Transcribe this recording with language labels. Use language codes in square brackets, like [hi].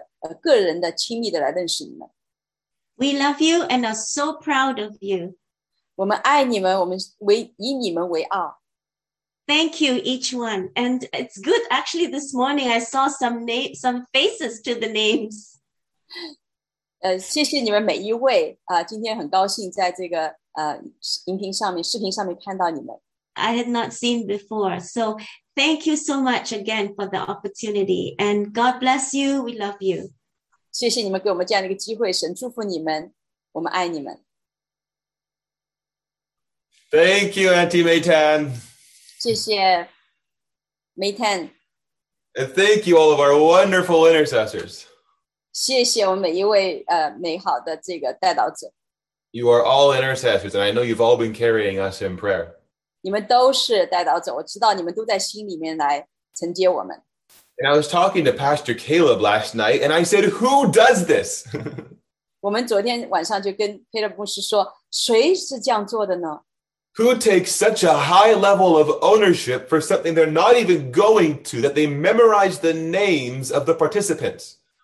[zh] 他是比我们更爱你们，他们爱你们是超越这个名字的，他们会更深的那个个人的亲密的来认识你们。 [en] We love you and are so proud of you. [zh] 我们爱你们，我们以你们为傲。 [en] Thank you, each one. And it's good, actually, this morning I saw some faces to the names. [zh] 谢谢你们每一位，今天很高兴在这个音频上面、视频上面看到你们。 [en] I had not seen before, so Thank you so much again for the opportunity. And God bless you. We love you. [zh] 谢谢你们给我们这样的一个机会, 神祝福你们, 我们爱你们。 [en] Thank you, Auntie Maytan. [zh] 谢谢,Maytan. [en] And thank you, all of our wonderful intercessors. [zh] 谢谢我们每一位, 美好的这个代导者。 [en] You are all intercessors, and I know you've all been carrying us in prayer. [zh] 你们都是代导者, 我知道你们都在心里面来承接我们。 [en] And I was talking to Pastor Caleb last night, and I said, who does this? [zh] 我们昨天晚上就跟佩勒牧师说, 谁是这样做的呢? [en] Who takes such a high level of ownership for something they're not even going to that they memorize the names of the participants?